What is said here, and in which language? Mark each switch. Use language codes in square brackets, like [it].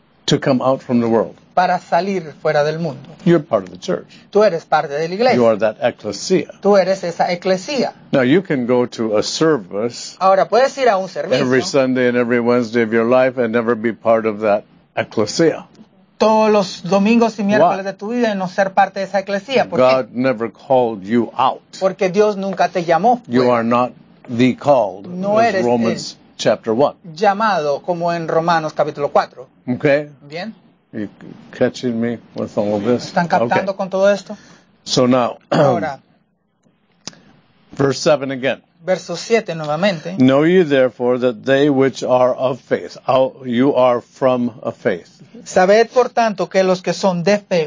[en] To come out from the world. [es] Para salir fuera del mundo. [en] You're part of the church. [es] Tú eres parte de la iglesia. [en] You are that ecclesia. [es] Tú eres esa eclesía. [en] Now you can go to a service. [es] Ahora puedes ir a un servicio. [en] Every Sunday and every Wednesday of your life and never be part of that ecclesia. [es] Todos los domingos y miércoles de tu vida y no ser parte de esa eclesía. ¿Por [en] God [es] qué? [en] Never called you out. [es] Porque Dios nunca te llamó. Fuera. [en] You are not the called. [es] No eres [en] Romans. [es] El. [en] Chapter 1. [es] Llamado como en Romanos capítulo 4. [en] Okay. [es] Bien. [en] Are you catching me with all of this? [es] ¿Están captando [en] okay. [es] con todo esto? [en] So now. [es] Ahora. [en] Verse 7 again. [es] Verso 7 nuevamente. [en] Know ye therefore that they which are of faith. You are from a faith. [es] Sabed por tanto que los que son de fe.